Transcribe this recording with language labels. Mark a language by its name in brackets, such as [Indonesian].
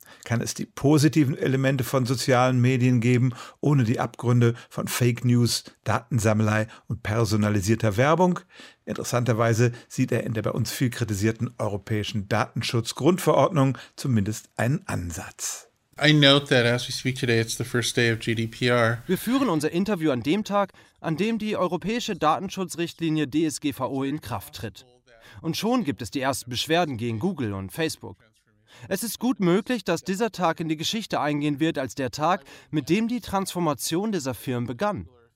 [German] kann es die positiven Elemente von sozialen Medien geben, ohne die Abgründe von Fake News, Datensammelei und personalisierter Werbung? Interessanterweise sieht er in der bei uns viel kritisierten europäischen Datenschutzgrundverordnung zumindest einen Ansatz. [English] I note that as we speak today, it's the first day of GDPR. [German] Wir führen unser Interview an dem Tag, an dem die europäische Datenschutzrichtlinie DSGVO in Kraft tritt. Und schon gibt es die ersten Beschwerden gegen Google und Facebook. Es ist gut möglich, dass dieser Tag in die Geschichte eingehen wird als der Tag, mit dem die Transformation dieser Firmen begann.